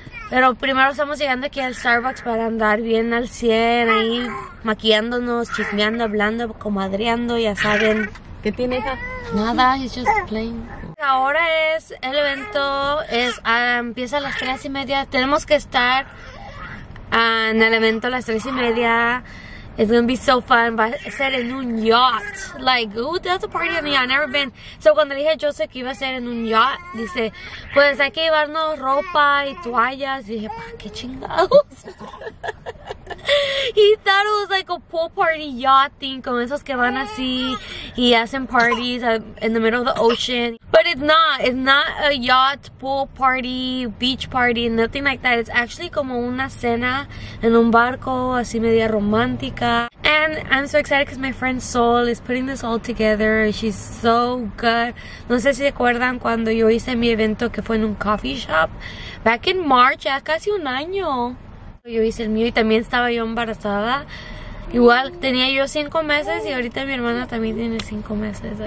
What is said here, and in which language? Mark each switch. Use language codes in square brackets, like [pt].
[es] Pero primero estamos llegando aquí al Starbucks para andar bien al 100, ahí maquillándonos, chismeando, hablando, comadreando, ya saben. ¿Qué tiene, hija? [en] Nada, it's just plain. [es] Ahora es el evento, empieza a las 3:30. Tenemos que estar en el evento a las 3:30. [en] It's gonna be so fun, [es] va a ser en un yacht. [en] Like, ooh, that's a party on me, I've never been. [es] So cuando le dije a Joseph que iba a ser en un yacht, dice, pues hay que llevarnos ropa y toallas. Y dije, pa, qué chingados. [en] He thought it was like a pool party yacht thing, [es] con esos que van así y hacen [en] parties in the middle of the ocean. But it's not. It's not a yacht, pool party, beach party, nothing like that. It's actually [es] como una cena en un barco, así media romántica. [en] And I'm so excited because my friend Sol is putting this all together. She's so good. [es] No sé si recuerdan cuando yo hice mi evento que fue en un coffee shop. [en] Back in March, [es] ya casi un año. Yo hice el mío y también estaba yo embarazada. Igual tenía yo 5 meses y ahorita mi hermana también tiene 5 meses.